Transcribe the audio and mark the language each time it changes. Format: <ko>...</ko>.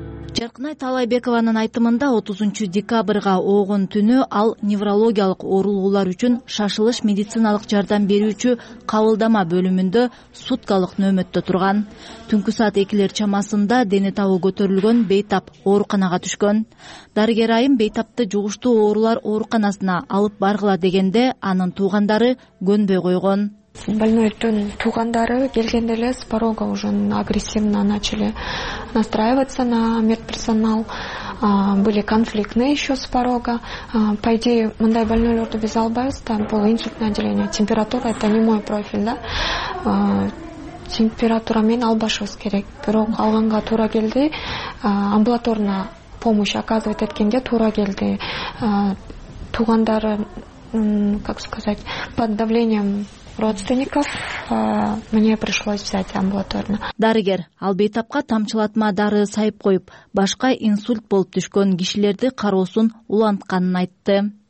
<ky>Жаркынай Таалайбекованын айтымында 30 декабрга ооган түнү ал неврологиялык оорулуулар үчүн шашылыш медициналык жардам берүүчү кабылдама бөлүмүндө суткалык нөөмөттө турган. Түнкү саат 2:00 чамасында дене табы көтөрүлгөн бейтап ооруканага түшкөн. Дарыгер айым бейтапты жугуштуу оорулар ооруканасына алып баргыла дегенде анын туугандары көнбөй койгон. Больнойтун тугандары келгенде эле</ky> <ru>с порога уже агрессивно начали настраиваться на медперсонал. Были конфликтные еще с порога. По идее,</ru> <ky>мындай больнойлорду биз албайбыз,</ky> <ru>там было инсультное отделение. Температура это не мой профиль, да?</ru> <ky>Температура мен албашыбыз керек. Бирок алганга туура келди.</ky> <ru>Амбулаторна помощь оказывает</ru> <ky>эткенге туура келди. Тугандары,</ky> <ru>как сказать, под давлением родственников мне пришлось взять амбулаторно.</ru> <ky>Дарыгер, ал бейтапка тамчылатма дары сайып коюп, башка инсульт болуп түшкөн кишилерди кароосун улантканын айтты.</ky>